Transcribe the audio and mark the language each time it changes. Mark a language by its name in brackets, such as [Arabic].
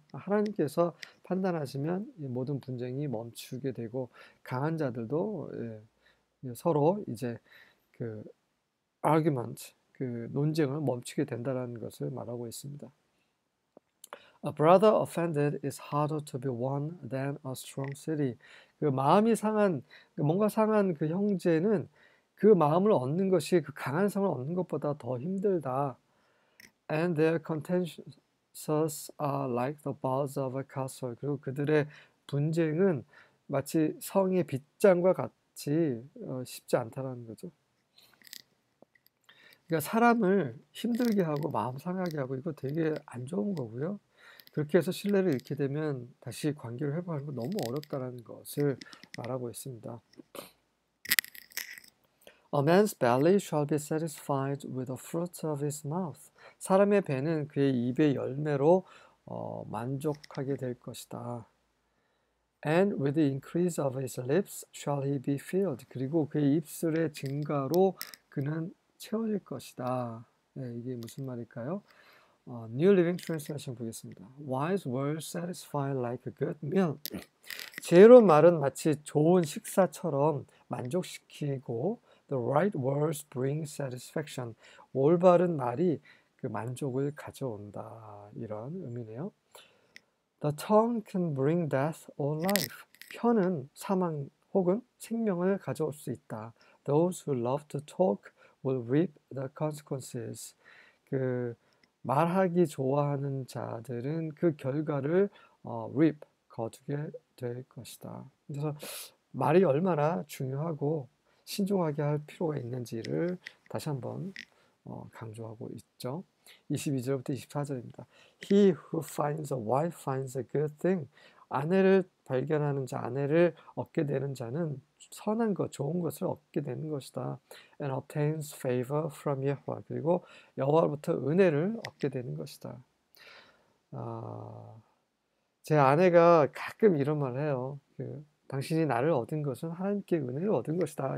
[Korean] 하나님께서 판단하시면 모든 분쟁이 멈추게 되고 강한 자들도 서로 이제 그 argument, 그 논쟁을 멈추게 된다는 것을 말하고 있습니다. [English] A brother offended is harder to be won than a strong city. [Korean] 그 마음이 상한, 뭔가 상한 그 형제는 그 마음을 얻는 것이 그 강한 성을 얻는 것보다 더 힘들다. [English] And their contentions are like the bars of a castle. [Korean] 그리고 그들의 분쟁은 마치 성의 빗장과 같이 쉽지 않다라는 거죠. 그러니까 사람을 힘들게 하고 마음 상하게 하고 이거 되게 안 좋은 거고요. 그렇게 해서 신뢰를 잃게 되면 다시 관계를 회복하는 건 너무 어렵다라는 것을 말하고 있습니다. [English] A man's belly shall be satisfied with the fruits of his mouth. [Korean] 사람의 배는 그의 입의 열매로 만족하게 될 것이다. [English] And with the increase of his lips shall he be filled. [Korean] 그리고 그의 입술의 증가로 그는 채워질 것이다. 네, 이게 무슨 말일까요? New Living Translation 보겠습니다. [English] Wise words satisfy like a good meal. [Korean] 지혜로운 말은 마치 좋은 식사처럼 만족시키고 [English] The right words bring satisfaction. [Korean] 올바른 말이 그 만족을 가져온다. 이런 의미네요. [English] The tongue can bring death or life. [Korean] 혀는 사망 혹은 생명을 가져올 수 있다. [English] Those who love to talk will reap the consequences. [Korean] 그 말하기 좋아하는 자들은 그 결과를 reap 거두게 될 것이다. 그래서 말이 얼마나 중요하고 신중하게 할 필요가 있는지를 다시 한번 강조하고 있죠. 22절부터 24절입니다. [English] He who finds a wife finds a good thing. [Korean] 아내를 발견하는 자, 아내를 얻게 되는 자는 선한 것, 좋은 것을 얻게 되는 것이다. [English] And obtains favor from Yahweh. [Korean] 그리고 여호와로부터 은혜를 얻게 되는 것이다. 제 아내가 가끔 이런 말을 해요. 당신이 나를 얻은 것은 하나님께 은혜를 얻은 것이다.